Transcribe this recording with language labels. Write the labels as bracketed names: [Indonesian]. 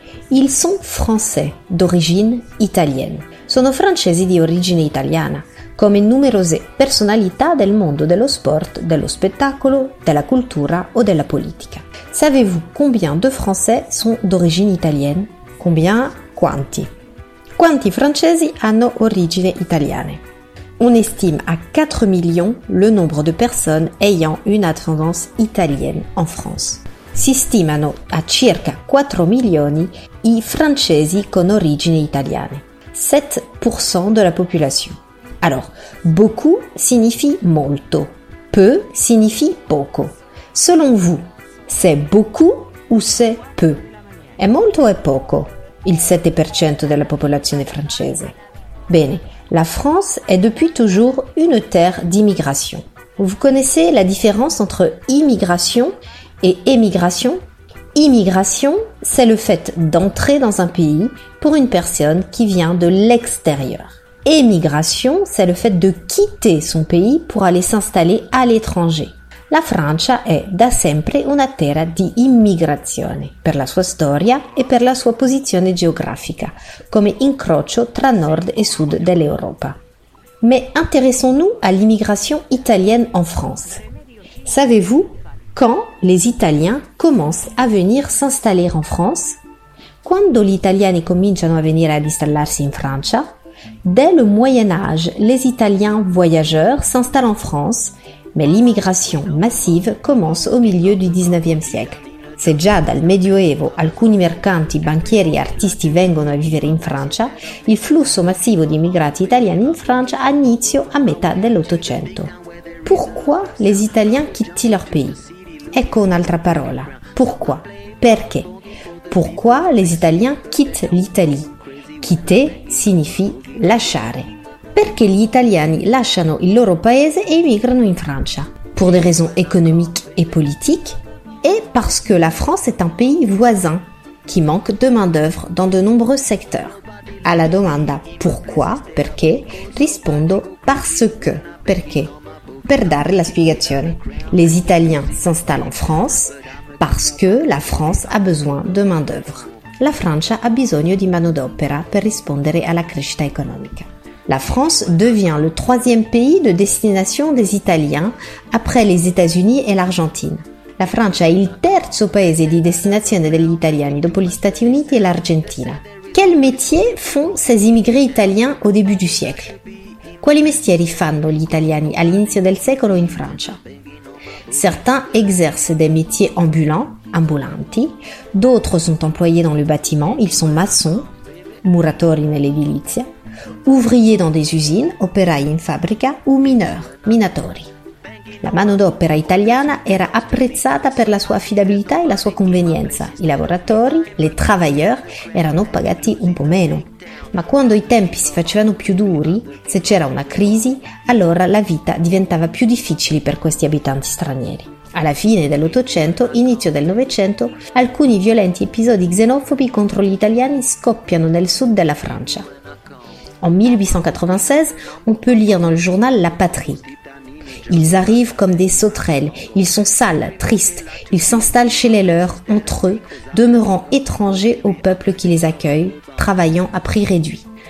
[French] Ils sont français, d'origine italienne. [Italian] Sono francesi di origine italiana, come numerose personalità del mondo dello sport, dello spettacolo, della cultura o della politica. [French] Savez-vous combien de français sont d'origine italienne? Combien? Quanti? [Italian] Quanti francesi hanno origine italiane? [French] On estime à 4 millions le nombre de personnes ayant une ascendance italienne en France. [Italian] Si stimano a circa 4 milioni i francesi con origine italiane, [French] 7% de la population. Alors, beaucoup signifie molto, peu signifie poco. Selon vous, c'est beaucoup ou c'est peu? [Italian] È molto o è poco? Il 7% della popolazione francese. [French] Bene, la France est depuis toujours une terre d'immigration. Vous connaissez la différence entre immigration et émigration? Immigration, c'est le fait d'entrer dans un pays pour une personne qui vient de l'extérieur. Émigration, c'est le fait de quitter son pays pour aller s'installer à l'étranger. [Italian] La Francia è da sempre una terra di immigrazione, per la sua storia e per la sua posizione geografica, come incrocio tra nord e sud dell'Europa. [French] Mais intéressons-nous à l'immigration italienne en France. Savez-vous quand les Italiens commencent à venir s'installer en France? [Italian] Quando gli italiani cominciano a venire ad installarsi in Francia? [French] Dès le Moyen Âge, les Italiens voyageurs s'installent en France. Mais l'immigration massive commence au milieu du 19e siècle. [Italian] Se già dal Medioevo alcuni mercanti, banchieri e artisti vengono a vivere in Francia, il flusso massivo di immigrati italiani in Francia ha inizio a metà dell'Ottocento. [French] Pourquoi les Italiens quittent leur pays? [Italian] Ecco un'altra parola. [French] Pourquoi? Perché? Pourquoi les Italiens quittent l'Italie? Quitter signifie lasciare. [Italian] Perché gli italiani lasciano il loro paese e immigrano in Francia? [French] Pour des raisons économiques et politiques? Et parce que la France est un pays voisin qui manque de main-d'œuvre dans de nombreux secteurs. [Italian] À la domanda pourquoi, perché, rispondo parce que, perché. Per dare la spiegazione, [French] les Italiens s'installent en France parce que la France a besoin de main-d'œuvre. [Italian] La Francia ha bisogno di manodopera per rispondere alla crescita economica. [French] La France devient le troisième pays de destination des Italiens après les États-Unis et l'Argentine. [Italian] La Francia è il terzo paese di destinazione degli italiani dopo gli Stati Uniti e l'Argentina. [French] Quel métier font ces immigrés italiens au début du siècle? [Italian] Quali mestieri fanno gli italiani all'inizio del secolo in Francia? [French] Certains exercent des métiers ambulants, ambulanti, d'autres sont employés dans le bâtiment, ils sont maçons, [Italian] muratori nell'edilizia. [French] Ouvriers dans des usines, [Italian] operai in fabbrica, [French] ou mineurs, minatori. [Italian] La manodopera italiana era apprezzata per la sua affidabilità e la sua convenienza. I lavoratori, [French] les travailleurs, [Italian] erano pagati un po' meno. Ma quando i tempi si facevano più duri, se c'era una crisi, allora la vita diventava più difficile per questi abitanti stranieri. Alla fine dell'Ottocento, inizio del Novecento, alcuni violenti episodi xenofobi contro gli italiani scoppiano nel sud della Francia. En 1896, on peut lire dans le journal La Patrie. Ils arrivent comme des sauterelles. Ils sont sales, tristes. Ils s'installent chez les leurs, entre eux, demeurant étrangers au peuple qui les accueille, travaillant à prix réduit.